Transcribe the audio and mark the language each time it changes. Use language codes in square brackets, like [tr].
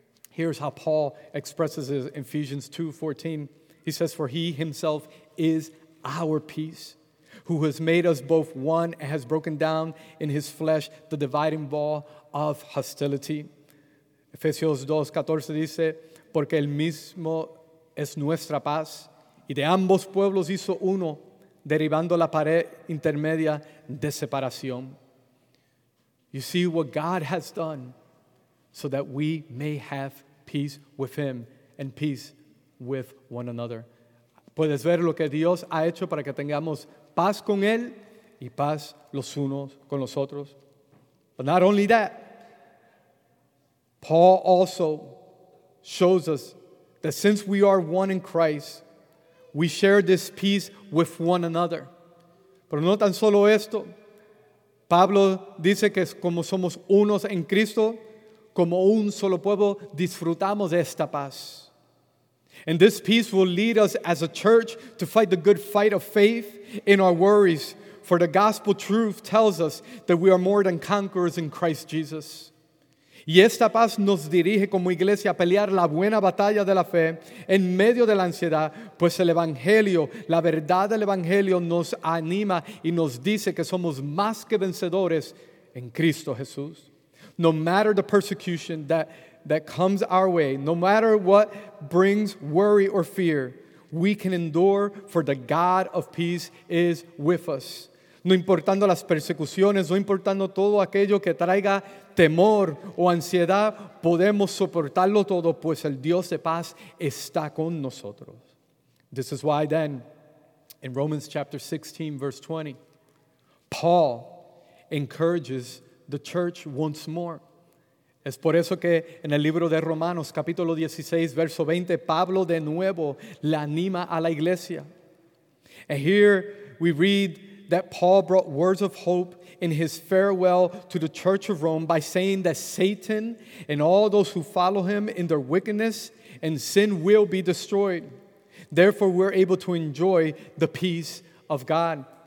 [en] Here's how Paul expresses it in Ephesians 2:14. He says, "For he himself is our peace, who has made us both one and has broken down in his flesh the dividing wall of hostility." [es] Efesios 2:14 dice, "Porque el mismo es nuestra paz, y de ambos pueblos hizo uno, derribando la pared intermedia de separación. [en] You see what God has done so that we may have peace with Him and peace with one another. [es] Puedes ver lo que Dios ha hecho para que tengamos paz con Él y paz los unos con los otros. [en] But not only that, Paul also shows us that since we are one in Christ, we share this peace with one another. [es] Pero no tan solo esto. Pablo dice que como somos unos en Cristo, como un solo pueblo, disfrutamos de esta paz. [en] And this peace will lead us as a church to fight the good fight of faith in our worries. For the gospel truth tells us that we are more than conquerors in Christ Jesus. [es] Y esta paz nos dirige como iglesia a pelear la buena batalla de la fe en medio de la ansiedad, pues el Evangelio, la verdad del Evangelio nos anima y nos dice que somos más que vencedores en Cristo Jesús. [en] No matter the persecution that comes our way, no matter what brings worry or fear, we can endure for the God of peace is with us. [es] No importando las persecuciones, no importando todo aquello que traiga temor o ansiedad, podemos soportarlo todo, pues el Dios de paz está con nosotros. [en] This is why then, in Romans chapter 16, verse 20, Paul encourages the church once more. [es] Es por eso que en el libro de Romanos, capítulo 16, verso 20, Pablo de nuevo le anima a la iglesia. [en] And here we read that Paul brought words of hope in his farewell to the church of Rome by saying that Satan and all those who follow him in their wickedness and sin will be destroyed. Therefore, we're able to enjoy the peace of God.